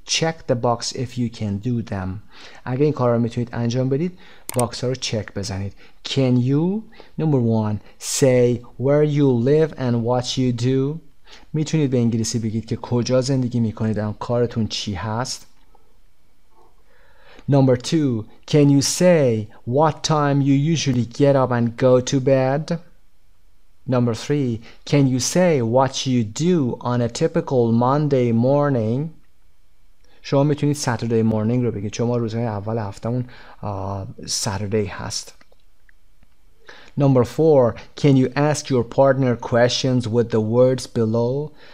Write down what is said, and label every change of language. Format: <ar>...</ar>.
<en>Check the box if you can do them.</en> <fa>اگه این کار رو میتونید انجام بدید باکس ها رو چک بزنید.</fa> <en>Can you? Number 1. Say where you live and what you do.</en> <fa>میتونید به انگلیسی بگید که کجا زندگی میکنید و کارتون چی هست.</fa> <en>Number 2. Can you say what time you usually get up and go to bed? Number 3. Can you say what you do on a typical Monday morning?</en> <fa>شما میتونید Saturday morning رو بگید چون ما روزهای اول هفتهمون Saturday هست.</fa> <en>Number 4. Can you ask your partner questions with the words below?</en>